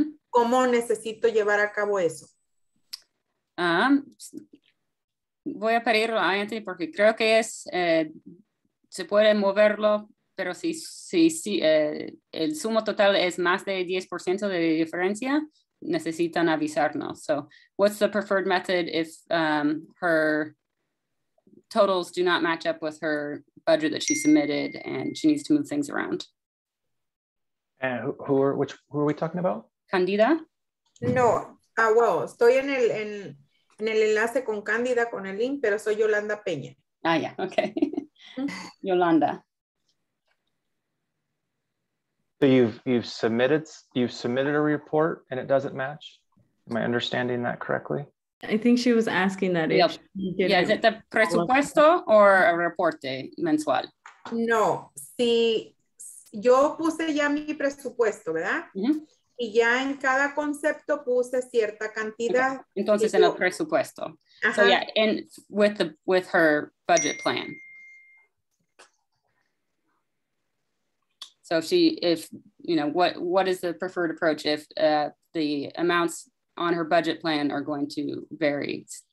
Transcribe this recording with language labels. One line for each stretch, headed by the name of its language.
Spanish: ¿Cómo necesito llevar a cabo eso? Voy a pedirlo a Anthony porque creo que es, se puede moverlo, pero si el sumo total es más de 10% de diferencia, necesitan avisarnos.
English: So, what's the preferred method if her totals do not match up with her budget that she submitted and she needs to move things around? And who are we talking about? Candida? No.
Spanish: Ah, well, estoy en el enlace con Candida, con el link, pero soy Yolanda Peña.
English: Ah, yeah. Okay. Yolanda. So you've submitted a report and it doesn't match? Am I understanding that correctly? I think she was asking that. Yep. Yeah, is it the presupuesto or a
Spanish: reporte mensual? No, si yo puse ya mi presupuesto, ¿verdad? Mm-hmm. Y ya en cada concepto puse cierta cantidad. Okay. Entonces en el presupuesto.
English: Uh-huh. So yeah, and with her budget plan. So what is the preferred approach if the amounts on her budget plan are going to vary?